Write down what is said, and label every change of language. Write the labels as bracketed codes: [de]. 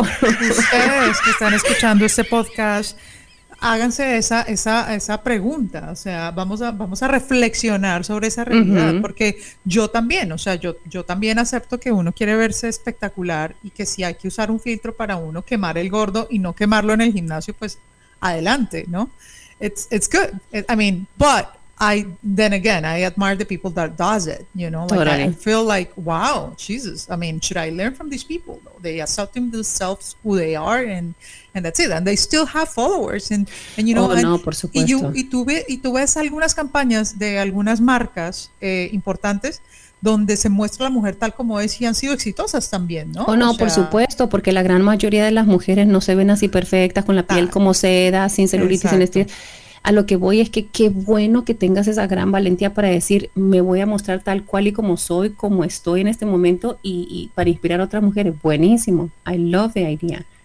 [es] Ustedes que están escuchando este podcast, háganse esa pregunta, o sea, vamos a reflexionar sobre esa realidad, uh-huh. Porque yo también, o sea, yo también acepto que uno quiere verse espectacular y que si hay que usar un filtro para uno quemar el gordo y no quemarlo en el gimnasio, pues adelante, ¿no? [en] It's good. I admire the people that does it, you know, like totally. I feel like, wow, Jesus, I mean, should I learn from these people? They accepting themselves who they are and that's it, and they still have followers and you know, oh, and, [es] no, por supuesto. Y tú ves algunas campañas de algunas marcas importantes donde se muestra a la mujer tal como es y han sido exitosas también, ¿no? Oh, no, o sea, por supuesto, porque la gran mayoría de las mujeres no se ven así perfectas, con la piel como seda, sin celulitis, sin estrías. A lo que voy es que qué bueno que tengas esa gran valentía para decir, me voy a mostrar tal cual y como soy, como estoy en este momento, y para inspirar a otras mujeres. Buenísimo. [en] I love the idea.